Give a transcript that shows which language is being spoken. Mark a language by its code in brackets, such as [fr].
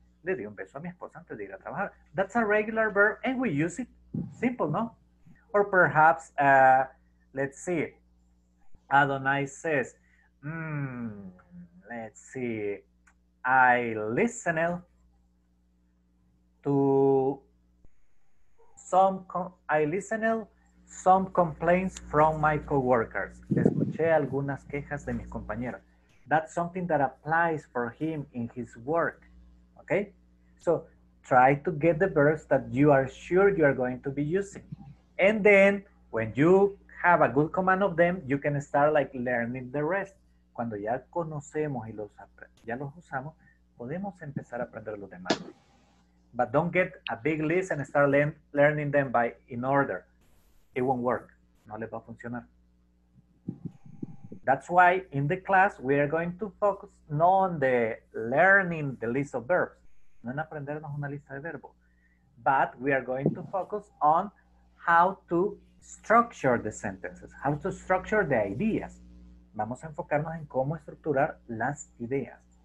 [es] Le dio un beso a mi esposa antes de ir a trabajar. [en] That's a regular verb and we use it. Simple, no? Or perhaps, let's see. Adonai says, let's see, I listened to some complaints from my coworkers. [es] Escuché algunas quejas de mis compañeros. [en] That's something that applies for him in his work, okay? So try to get the verbs that you are sure you are going to be using. And then when you have a good command of them, you can start like learning the rest. [es] Cuando ya conocemos y ya los usamos, podemos empezar a aprender los demás. [en] But don't get a big list and start learning them in order. It won't work. [es] No les va a funcionar. [en] That's why in the class, we are going to focus not on the learning the list of verbs, [es] no en aprendernos una lista de verbos, [en] but we are going to focus on how to structure the sentences, how to structure the ideas. [es] Vamos a enfocarnos en cómo estructurar las ideas.